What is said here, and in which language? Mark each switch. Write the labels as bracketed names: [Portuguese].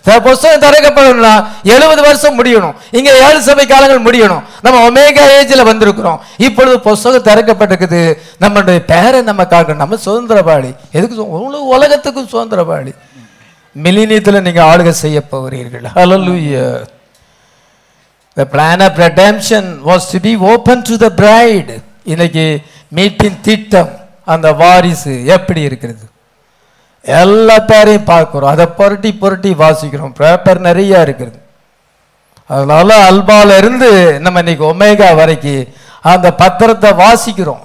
[Tamil] புஸ்தகம் திறக்கப்படணும்னா 70 வருஷம் முடியணும். இங்க 7 சபை காலங்கள் முடியணும். நம்ம ஒமேகா ஏஜ்ல வந்திருக்கிறோம். இப்பொழுது புஸ்தகம் திறக்கப்பட்டிருக்குது. நம்மளுடைய பேரை நம்ம காக்கணும். நம்ம சுதந்திரவாளி. எதுக்கு? உலகத்துக்கும் சுதந்திரவாளி. மில்லினியத்துல நீங்க ஆளுக செய்ய போகிறீர்கள். ஹல்லேலூயா. [English] The plan of redemption was to be open to the bride. [Tamil] இன்னைக்கு மீட்டின் திட்டம், அந்த வாரிசு எப்படி இருக்கிறது? எல்லா பேரையும் பார்க்குறோம், அதை புரட்டி புரட்டி வாசிக்கிறோம். பேப்பர் நிறைய இருக்கிறது. அதனால அல்பால இருந்து நம்ம இன்னைக்கு ஒமேகா வரைக்கும் அந்த பத்திரத்தை வாசிக்கிறோம்.